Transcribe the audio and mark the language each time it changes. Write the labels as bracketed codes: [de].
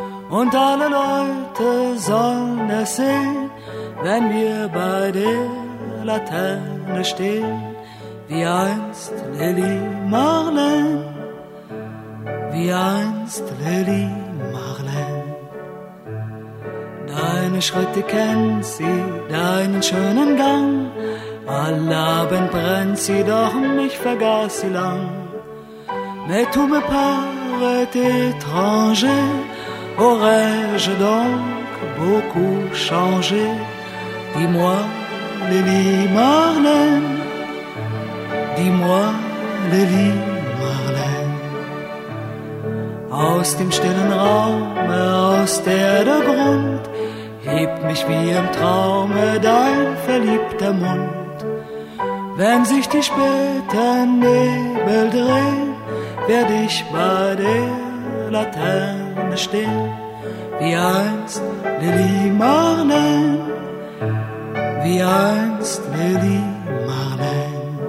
[de] Und alle Leute sollen es sehen, wenn wir bei der Laterne stehen, wie einst Lili Marlen, wie einst Lili Marlen. Deine Schritte kennt sie, deinen schönen Gang. Alle Abend brennt sie, doch mich vergaß sie lang. [fr] Mais tout me paraît étranger, aurais-je donc beaucoup changé? Dis-moi, Lili Marlen, dis-moi, Lili Marlen. [de] Aus dem stillen Raume, aus der Grund, hebt mich wie im Traume dein verliebter Mund. Wenn sich die späten Nebel drehen, werd ich bei der Laterne stehen, wie einst Lili Marlen, wie einst Lili Marlen.